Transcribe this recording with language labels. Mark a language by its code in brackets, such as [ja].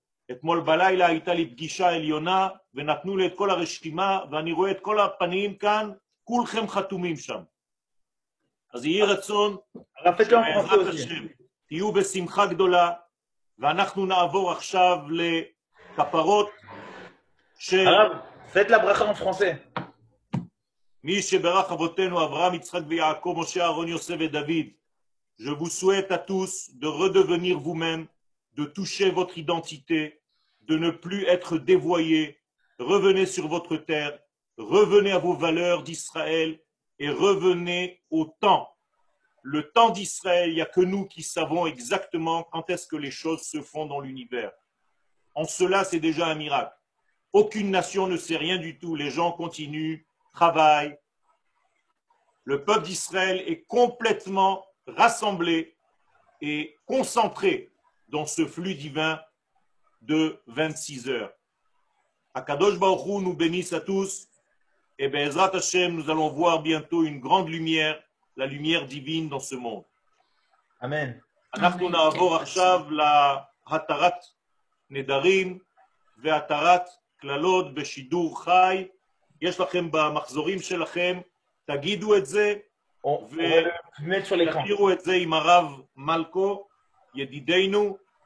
[he] אתמול בלילה הייתה לי פגישה עליונה ונתנו לי את כל הרשימה ואני רואה את כל הפנים כאן, כולכם חתומים שם. אז יהי רצון שבעזרת השם תהיו בשמחה גדולה, ואנחנו נעבור עכשיו לכפרות של... הרב, פת לברכה בפרנסה. מי שברך אבותינו אברהם, יצחק ויעקב, משה, אהרון, יוסף ודוד, [fr] je vous souhaite à tous de redevenir vous-même, de toucher votre identité, de ne plus être dévoyé, revenez sur votre terre, revenez à vos valeurs d'Israël, et revenez au temps. Le temps d'Israël, il n'y a que nous qui savons exactement quand est-ce que les choses se font dans l'univers. En cela, c'est déjà un miracle. Aucune nation ne sait rien du tout. Les gens continuent, travaillent. Le peuple d'Israël est complètement rassemblé et concentré dans ce flux divin de 26 heures. Akadosh Baruch Hu nous bénisse à tous. Et Be'ezrat Hashem, nous allons voir bientôt une grande lumière, la lumière divine dans ce monde. Amen. [he] אנחנו נעבור עכשיו להתרת נדרים והתרת כללות בשידור חי. יש לכם במחזורים שלכם, תגידו את זה ותכירו את זה עם הרב מלכו, ידידינו.